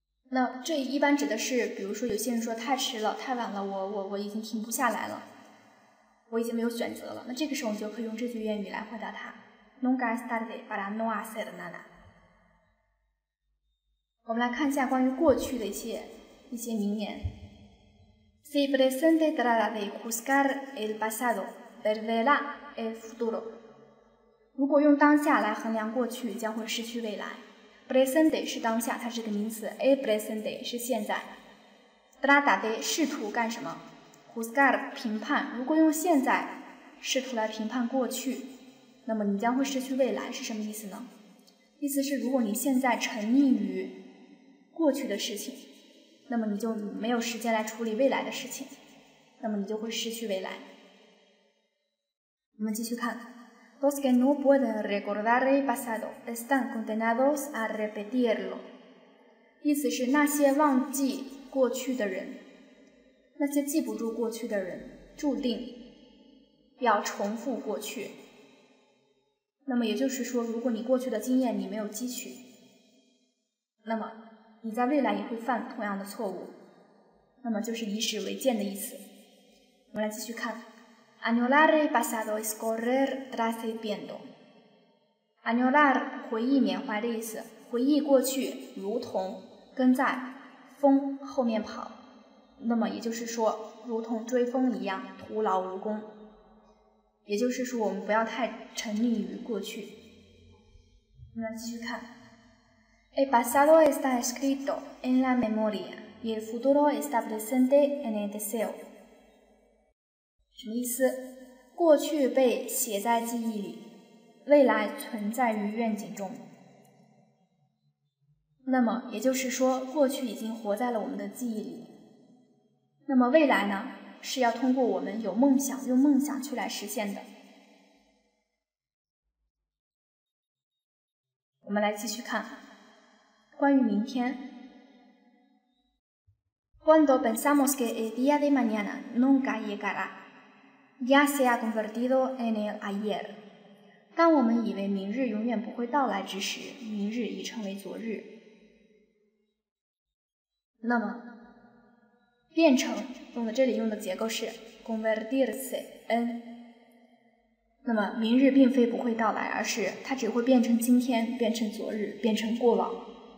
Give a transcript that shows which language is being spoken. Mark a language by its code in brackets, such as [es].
[zh] 那这一般指的是比如说有些人说太迟了太晚了，我已经停不下来了，我已经没有选择了，那这个时候我就可以用这句谚语来回答他 [es] Nunca es tarde para no hacer nada。 [zh] 我们来看一下关于过去的一些名言。 [es] Si presente trata de juzgar el pasado, perderá el futuro。 [zh] 如果用当下来衡量过去，将会失去未来。Presente 是当下，它是个名词， el presente 是现在。 Trata de 试图干什么， juzgar 评判，如果用现在试图来评判过去，那么你将会失去未来，是什么意思呢？意思是如果你现在沉溺于过去的事情，那么你就没有时间来处理未来的事情，那么你就会失去未来。我们继续看 [es] Los que no pueden recordar el pasado están condenados a repetirlo， [zh] 意思是那些忘记过去的人，那些记不住过去的人注定要重复过去。那么也就是说，如果你过去的经验你没有汲取，那么你在未来也会犯同样的错误，那么就是以史为鉴的意思。我们来继续看 [es] Anular el pasado es correr tras el viento。 [zh] Anular 回忆缅怀的意思，回忆过去如同跟在风后面跑，那么也就是说如同追风一样徒劳无功，也就是说我们不要太沉溺于过去。我们来继续看 [es] El pasado está escrito en la memoria y el futuro está presente en el deseo。 [zh] 什么意思？过去被写在记忆里，未来存在于愿景中。那么也就是说过去已经活在了我们的记忆里，那么未来呢，是要通过我们有梦想，用梦想去来实现的。我们来继续看关于明天。 [es] Cuando pensamos que el día de mañana nunca llegará, ya se ha convertido en el ayer. [zh] 当我们以为明日永远不会到来之时，明日已成为昨日。那么，变成用的这里用的结构是 convertirse en。那么，明日并非不会到来，而是它只会变成今天，变成昨日，变成过往。